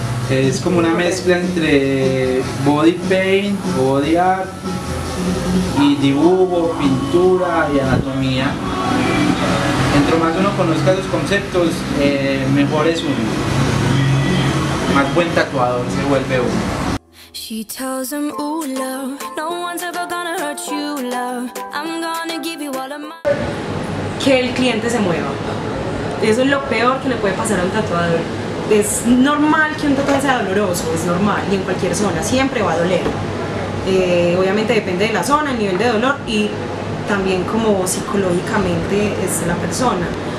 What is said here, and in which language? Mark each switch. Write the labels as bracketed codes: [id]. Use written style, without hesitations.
[es] Es como una mezcla entre body paint, body art, y dibujo, pintura y anatomía. Entre más uno conozca los conceptos, mejor es uno. Más buen tatuador se vuelve uno. [en] She tells him, ooh, love, no one's ever gonna hurt you, love. I'm gonna give you all of my... [es] Que el cliente se mueva. Eso es lo peor que le puede pasar a un tatuador. Es normal que un tatuaje sea doloroso, es normal. Y en cualquier zona siempre va a doler. Obviamente depende de la zona, el nivel de dolor y también como psicológicamente es la persona.